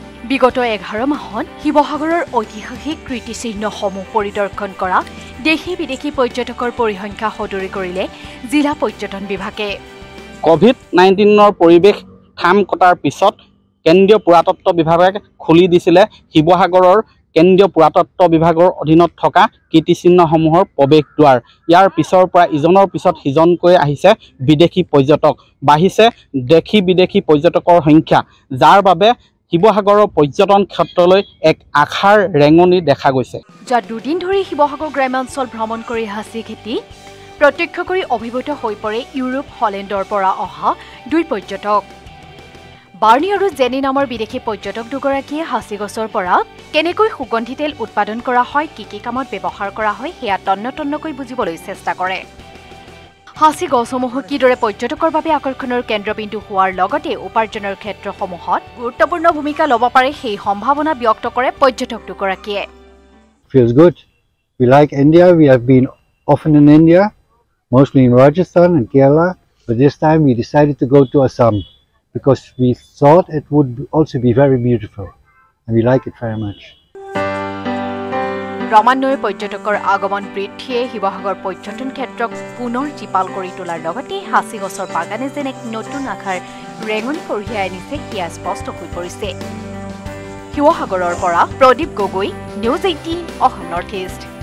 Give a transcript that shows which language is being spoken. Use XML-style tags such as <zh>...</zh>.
<as>বিগত 11 মাহত শিৱসাগৰৰ ঐতিহাসিক কীৰ্তিচিহ্নসমূহ পৰিদৰ্শন কৰা দেশী বিদেশী পৰ্যটকৰ পৰিসংখ্যা সদৰি কৰিলে জিলা পৰ্যটন বিভাগে। কভিড-19ৰ পৰিৱেশ খাম কটাৰ পিছত কেন্দ্ৰীয় পুৰাতত্ব বিভাগে খুলি দিছিলে শিৱসাগৰৰ কেন্দ্রীয় পুরাতত্ব বিভাগৰ অধীনত থকা কীর্তিচিহ্নসমূহৰ প্রবেশ দ্বার। ইয়াৰ পিছৰ পৰা ইজনৰ পিছত সিজনকৈ আহিছে বিদেশী পর্যটক, বাঢ়িছে দেশী বিদেশী পর্যটকৰ সংখ্যা, যাৰ বাবে শিবসাগৰৰ পৰ্যটন ক্ষেত্ৰলৈ এক আশাৰ ৰেঙনি দেখা গৈছে। যা দুদিন ধৰি শিবসাগৰ গ্ৰাম্যাঞ্চল ভ্ৰমণ কৰি হাঁচি খেতি প্ৰত্যক্ষ কৰি অভিভূত হৈ পৰে ইউৰোপ হলেণ্ডৰ পৰা অহা দুই পৰ্যটক। বাৰ্নি আৰু জেনি নামৰ বিদেশী পৰ্যটক দুগৰাকীয়ে হাঁচি গছৰ পৰা কেনেকৈ সুগন্ধি তেল উৎপাদন কৰা হয়, কি কি কামত ব্যৱহাৰ কৰা হয়, সেয়া তন্ন তন্নকৈ বুজিবলৈ চেষ্টা কৰে। হাঁচি গছসমূহ কিদৰে পৰ্যটকৰ বাবে আকৰ্ষণৰ কেন্দ্ৰবিন্দু হোৱাৰ লগতে উপাৰ্জনৰ ক্ষেত্ৰসমূহত গুৰুত্বপূৰ্ণ ভূমিকা ল'ব পাৰে, সেই সম্ভাৱনা ব্যক্ত কৰে পৰ্যটক দুগৰাকীয়ে।</as> <en>Feels good. We like India. We have been often in India, mostly in Rajasthan and Kerala, but this time we decided to go to Assam because we thought it would also be very beautiful and we like it very much.</en> <as>ক্রমান্বয়ে পর্যটকর আগমন বৃদ্ধিয়ে শিবসাগর পর্যটন ক্ষেত্রক পুনের জীপাল করে তোলার লগতে হাঁচি গছর বাগানে যে এক নতুন আশার রেঙনি কঢ়িয়ায় আনিছে সেয়া স্পষ্ট হয়ে পড়ছে। শিবসাগরের পৰা প্রদীপ Gogoi, news 18 Assam north east.</as>